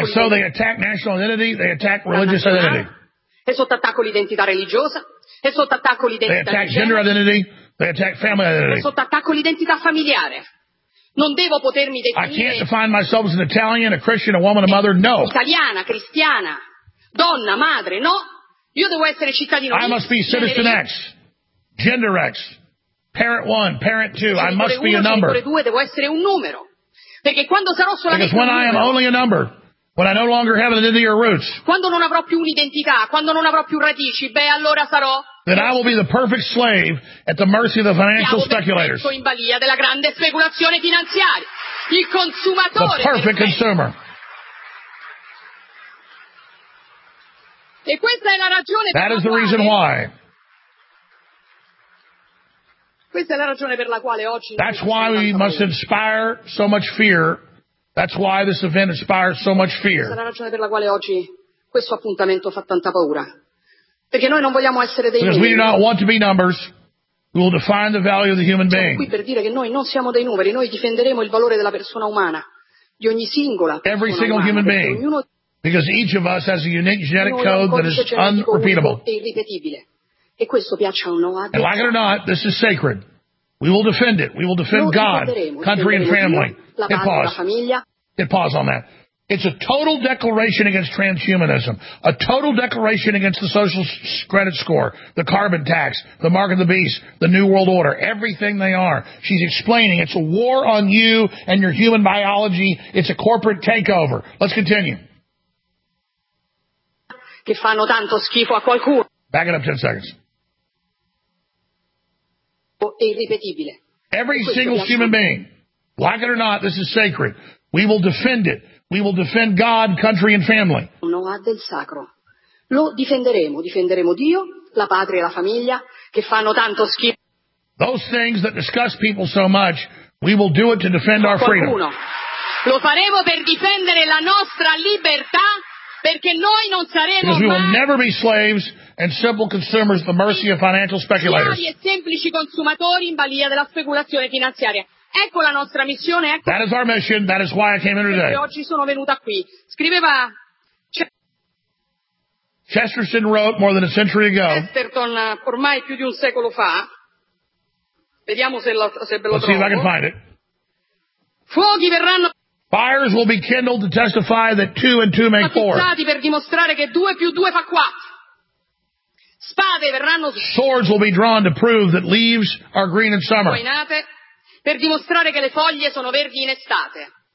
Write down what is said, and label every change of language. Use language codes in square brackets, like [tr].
[en] And so they attack national identity, they attack religious identity. [it] È sotto attacco l'identità religiosa, è sotto attacco l'identità. [en] They attack gender identity, they attack family identity. [it] È sotto attacco l'identità familiare. Non devo potermi definire. [en] I can't define myself as an Italian, a Christian, a woman, a mother. No. [it] Italiana, cristiana, donna, madre. No. Io devo essere cittadino. [en] I must be citizen X, gender X, parent one, parent two. I must be a number. [it] Devo essere un numero. Perché quando sarò solamente [en] because when I am only a number, when I no longer have an identity or roots, [it] quando non avrò più un'identità, quando non avrò più radici, beh, allora sarò. [en] Then I will be the perfect slave at the mercy of the financial speculators. [it] In balia della grande speculazione finanziaria, il consumatore. [en] The perfect consumer. [it] E questa è la ragione. [en] That is the reason why. [it] Questa è la ragione per la quale oggi. [en] That's why we must inspire so much fear. That's why this event inspires so much fear. [it] Questa è la ragione per la quale oggi questo appuntamento fa tanta paura. Perché noi non vogliamo essere dei numeri. [en] We do not want to be numbers. We will define the value of the human being. [it] Siamo qui per dire che noi non siamo dei numeri. Noi difenderemo il valore della persona umana, di ogni singola. [en] Every single human being. Because each of us has a unique genetic code that is unrepeatable. [it] E irripetibile. E questo piaccia o no? [en] And like it or not, this is sacred. We will defend it. We will defend God, country and family. Hit pause. Hit pause on that. It's a total declaration against transhumanism, a total declaration against the social credit score, the carbon tax, the mark of the beast, the new world order, everything they are. She's explaining it's a war on you and your human biology. It's a corporate takeover. Let's continue. [it] Che fanno tanto schifo a qualcuno. [en] Back it up 10 seconds. [it] Irripetibile. [en] Every single human being, like it or not, this is sacred. We will defend it. We will defend God, country, and family. [it] No, ha del sacro. Lo difenderemo. Difenderemo Dio, la patria e la famiglia, che fanno tanto schifo. [en] Those things that disgust people so much, we will do it to defend our freedom. [it] Lo faremo per difendere la nostra libertà. Perché noi non saremo [en] because we will never be slaves and simple consumers at the mercy of financial speculators. [it] E semplici consumatori in balia della speculazione finanziaria. Ecco la nostra missione. Ecco [en] that is our mission. That is why I came here today. [it] Oggi sono venuta qui. Scriveva. [en] Chesterton wrote more than a century ago. [it] Chesterton, ormai più di un secolo fa. Vediamo se lo trovo. [en] Let's see if I can find it. [it] Fuochi verranno. [en] Fires will be kindled to testify that two and two make four. [it] Battezzati per dimostrare che due più due fa quattro. Spade verranno. [en] Swords will be drawn to prove that leaves are green in summer. [it] Spoinate per dimostrare che le foglie sono verdi in estate.